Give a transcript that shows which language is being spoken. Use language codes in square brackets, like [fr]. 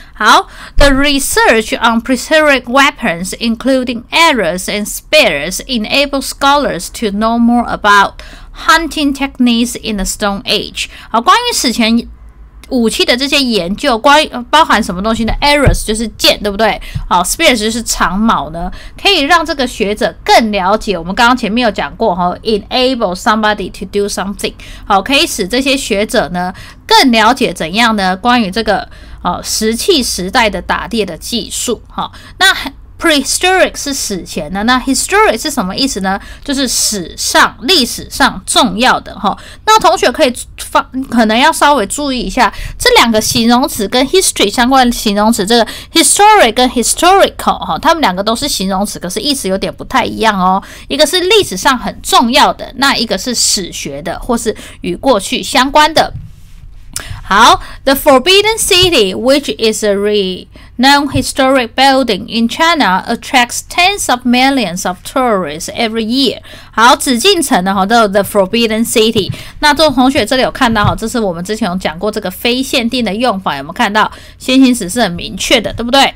[en] 好 ，the research on prehistoric weapons, including arrows and spears, enables scholars to know more about hunting techniques in the Stone Age。 [zh] 好，关于史前武器的这些研究，关于包含什么东西呢 ？Arrows 就是箭，对不对？好 ，spears 就是长矛呢，可以让这个学者更了解。我们刚刚前面有讲过哈 ， [en] enable somebody to do something， [zh] 好，可以使这些学者呢更了解怎样呢？关于这个石器时代的打猎的技术，哈，那。 Prehistoric 是史前的，那 historic 是什么意思呢？就是史上、历史上重要的哈。那同学可以可能要稍微注意一下，这两个形容词跟 history 相关的形容词，这个 historic 跟 historical 哈，他们两个都是形容词，可是意思有点不太一样哦。一个是历史上很重要的，那一个是史学的或是与过去相关的。 [en] 好 ，The Forbidden City, which is a renowned historic building in China, attracts tens of millions of tourists every year. [zh] 好，紫禁城的哈，都有 The Forbidden City。那这位同学这里有看到哈，这是我们之前有讲过这个非限定的用法，有没有看到？先行史是很明确的，对不对？